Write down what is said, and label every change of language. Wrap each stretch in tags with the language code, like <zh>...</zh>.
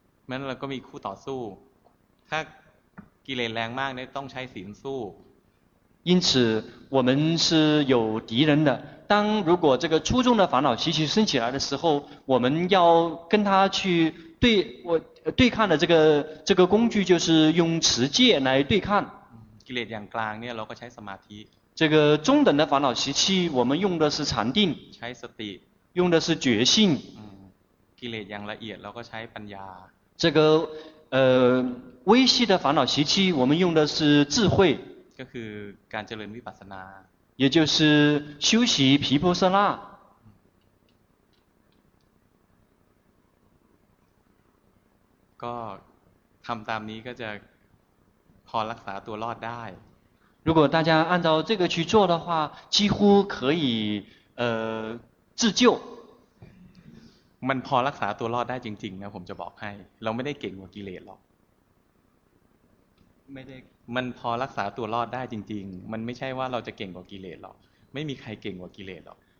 <th>มันเราก็มีคู่ต่อสู้ถ้ากิเลสแรงมากเนี่ยต้องใช้ศีลสู้</th> <zh>因此我们是有敌人的，当如果这个初重的烦恼习气升起来的时候，我们要跟他去对我对抗的这个工具就是用持戒来对抗。</zh> <th>กิเลสอย่างกลางเนี่ยเราก็ใช้สมาธิ。</th> <zh>这个中等的烦恼习气，我们用的是禅定。</zh> <th>ใช้สติ。</th> <zh>用的是觉性。</zh> <th>กิเลสอย่างละเอียดเราก็ใช้ปัญญา。</th> <zh>这个微细的烦恼习气，我们用的是智慧。</zh> <th>ก็คือการเจริญวิปัสสนา。</th> <zh>也就是修习毗婆舍那。</zh> <th>ก็ทำตามนี้ก็จะพอรักษาตัวรอดได้</th> <zh>如果大家按照这个去做的话几乎可以自救</zh> <th>มันพอรักษาตัวรอดได้จริงๆนะผมจะบอกให้เราไม่ได้เก่งกว่ากิเลสหรอก ไม่ได้ มันพอรักษาตัวรอดได้จริงๆมันไม่ใช่ว่าเราจะเก่งกว่ากิเลสหรอกไม่มีใครเก่งกว่ากิเลสหรอก</th>